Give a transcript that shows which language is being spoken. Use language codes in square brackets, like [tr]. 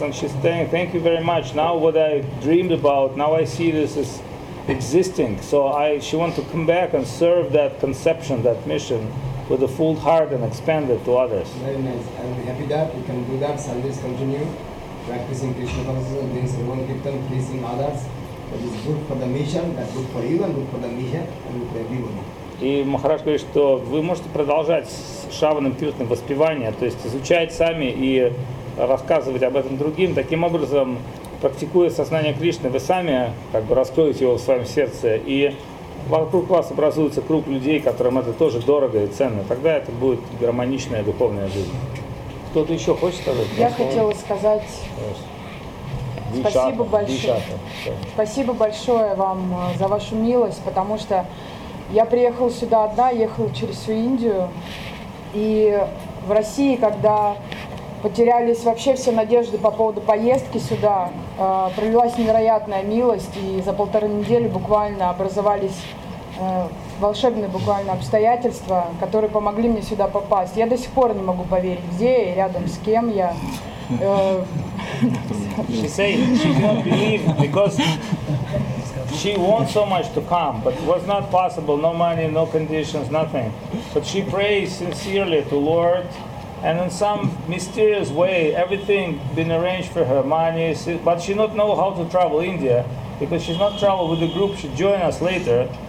[en] And she's saying, thank you very much. Now what I dreamed about, now I see this is existing, so she wants to come back and serve that conception, that mission, with a full heart and expand it to others. Very nice. I'm happy that you can do that. Service continue, practicing Krishna consciousness, doing Sarvam Kirtan, pleasing others. That is good for the mission. That's good for you and good for the mission and good for everyone. [ru] И Махарадж говорит, что вы можете продолжать с Шраваном Киртаном воспевание, то есть изучать сами и рассказывать об этом другим. Таким образом, практикуя сознание Кришны, вы сами как бы раскроете его в своем сердце, и вокруг вас образуется круг людей, которым это тоже дорого и ценно. Тогда это будет гармоничная духовная жизнь. Кто-то еще хочет сказать? Я хотела сказать спасибо большое. Спасибо большое вам за вашу милость, потому что я приехала сюда одна, ехала через всю Индию, и в России, когда потерялись вообще все надежды по поводу поездки сюда, пролилась невероятная милость, и за полторы недели буквально образовались волшебные буквально обстоятельства, которые помогли мне сюда попасть. Я до сих пор не могу поверить, где я и рядом с кем я. [en] She said she did not believe because she wants so much to come, but it was not possible, no money, no conditions, nothing. But she prays sincerely to Lord. And in some mysterious way, everything been arranged for her money, but she not know how to travel India, because she's not travel with the group, she join us later.